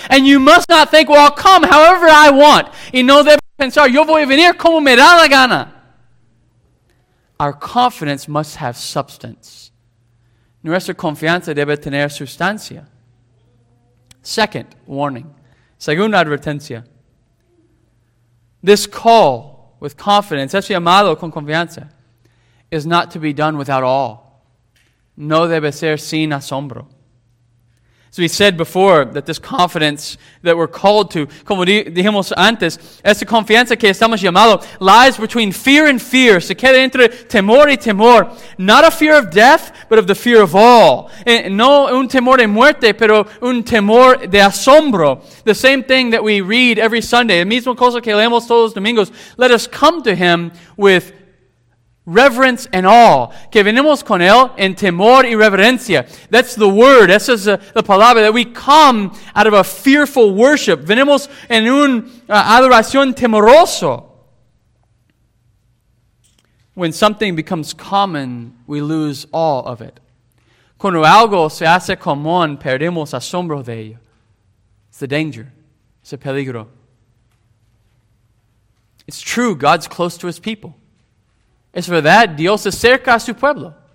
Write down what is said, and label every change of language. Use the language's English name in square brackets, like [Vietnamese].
[English] And you must not think, well, I'll come however I want. [Spanish] Y no debes pensar, yo voy a venir como me da la gana. [English] Our confidence must have substance. [Spanish] Nuestra confianza debe tener sustancia. [English] Second warning. [Spanish] Segunda advertencia. [English] This call with confidence, [Spanish] ese llamado con confianza, [English] is not to be done without awe. [Spanish] No debe ser sin asombro. [English] So we said before that this confidence that we're called to, [Spanish] como dijimos antes, esa confianza que estamos llamado, [English] lies between fear and fear. [Spanish] Se queda entre temor y temor. [English] Not a fear of death, but of the fear of awe. [Spanish] No un temor de muerte, pero un temor de asombro. [English] The same thing that we read every Sunday. [Spanish] La misma cosa que leemos todos los domingos. [English] Let us come to Him with reverence and awe. [Spanish] Que venimos con él en temor y reverencia. [English] That's the word. [Spanish] Esa es la palabra. [English] That we come out of a fearful worship. [Spanish] Venimos en un adoración temoroso. [English] When something becomes common, we lose awe of it. [Spanish] Cuando algo se hace común, perdemos asombro de ello. [English] It's the danger. It's a peligro. It's true. God's close to his people. [Spanish] Es verdad, Dios es cerca a su pueblo.